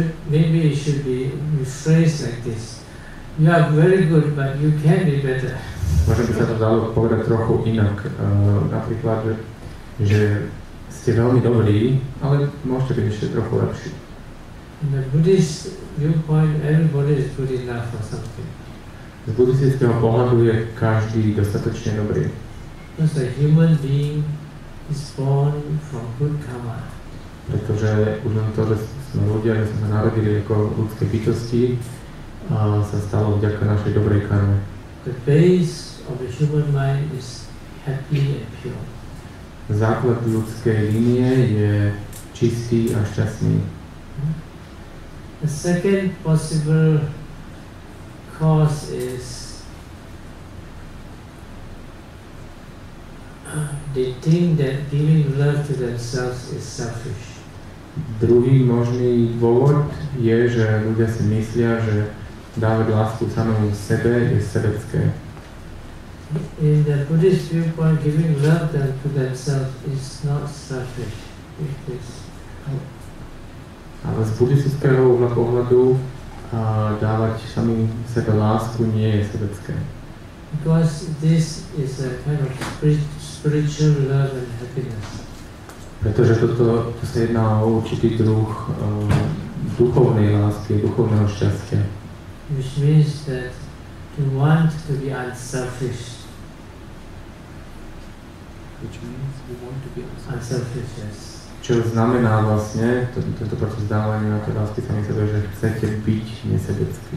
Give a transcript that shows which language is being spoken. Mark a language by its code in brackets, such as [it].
[en] Maybe it should be rephrased like this. You are very good, but you can be better. [sk] Možno by sa to dalo povedať trochu inak. Napríklad, že ste veľmi dobrí, ale môžete byť ešte trochu lepší. [en] In the Buddhist viewpoint, everybody is good enough for something. [sk] Z buddhistického pohľadu je každý dostatočne dobrý. [en] Because a human being is born from good karma. [sk] Pretože už len to, že sme ľudia, že sme narodili ako ľudské bytosti, sa stalo vďaka našej dobrej karme. [en] The base of the human mind is happy and pure. [sk] Základ ľudskej linie je čistý a šťastný. [en] The second possible cause is they think that giving love to themselves is selfish. [sk] Druhý možný dôvod je, že ľudia si myslia, že dávať lásku samému sebe je sebecké. [en] In the Buddhist viewpoint, giving love to themselves is not selfish. [sk] Ale z buddhistického uhla pohľadu dávať samú sebe lásku nie je sebecké. [en] Because this is a kind of spiritual love and happiness. [sk] Pretože toto sa jedná o určitý druh duchovnej lásky, duchovného šťastia. [en] Which means that to want to be unselfish. Which means we want to be unselfish, yes. [sk] Čo znamená vlastne toto proces dávania na tej lásky sami sebe, že chcete byť nesebecký.